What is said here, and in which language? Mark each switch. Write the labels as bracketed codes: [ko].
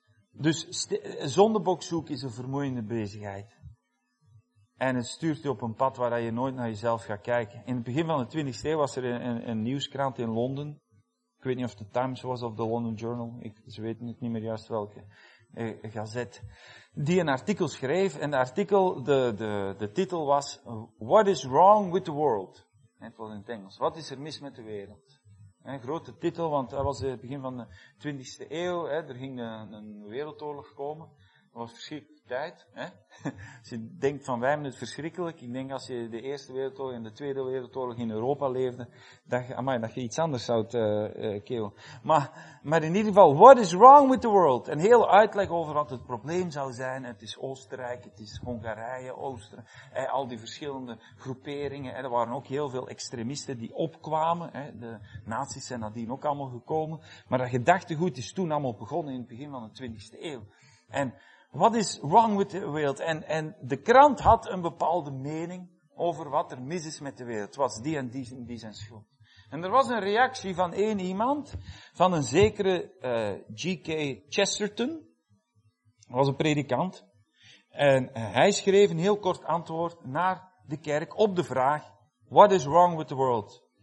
[nl] Dus zondebok zoeken is een vermoeiende bezigheid. En het stuurt je op een pad waar je nooit naar jezelf gaat kijken. In het begin van de 20e eeuw was er een nieuwskrant in Londen. Ik weet niet of de Times was of de London Journal. Ze weten het niet meer juist welke. Gazet, die een artikel schreef. En de titel was [en] What is wrong with the world? [nl] Het was in het Engels. Wat is er mis met de wereld? Een grote titel, want dat was het begin van de 20e eeuw. Er ging een wereldoorlog komen. was verschrikkelijke tijd. Hè? Als je denkt van wij hebben het verschrikkelijk. Ik denk als je de Eerste Wereldoorlog en de Tweede Wereldoorlog in Europa leefde, dat je iets anders zou keelen. Maar in ieder geval, [en] what is wrong with the world? [nl] Een hele uitleg over wat het probleem zou zijn. Het is Oostenrijk, het is Hongarije, Oostenrijk. Hè, al die verschillende groeperingen. Hè, er waren ook heel veel extremisten die opkwamen. Hè, de nazi's zijn nadien ook allemaal gekomen. Maar dat gedachtegoed is toen allemaal begonnen in het begin van de 20e eeuw. [en] En what is wrong with the world? [nl] En de krant had een bepaalde mening over wat er mis is met de wereld. Het was die en die en die zijn schuld. En er was een reactie van één iemand, van een zekere G.K. Chesterton. Dat was een predikant. En hij schreef een heel kort antwoord naar de kerk op de vraag, [en] what is wrong with the world?